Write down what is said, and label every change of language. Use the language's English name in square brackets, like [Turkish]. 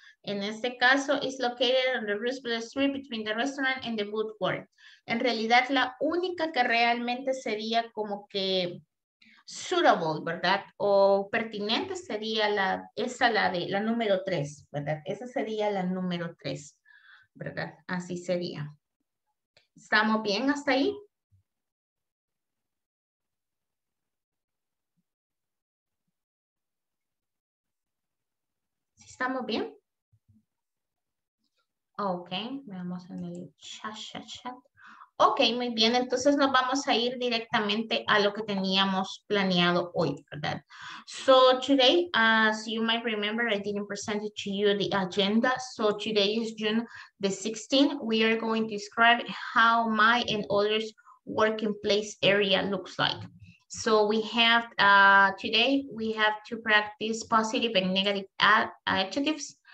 [Spanish] En este caso, [English] it's located on the Roosevelt Street between the restaurant and the Woodward. [Spanish] En realidad, la única que realmente sería como que suitable, ¿verdad? O pertinente sería la número 3, ¿verdad? Esa sería la número 3, ¿verdad? Así sería. ¿Estamos bien hasta ahí? ¿Estamos bien? Ok, veamos en el chat. Ok, muy bien. Entonces nos vamos a ir directamente a lo que teníamos planeado hoy, ¿verdad? [English] So today, as you might remember, I didn't present it to you the agenda. So today is June the 16th. We are going to describe how my and others' working place area looks like. So we have, today we have to practice positive and negative adjectives.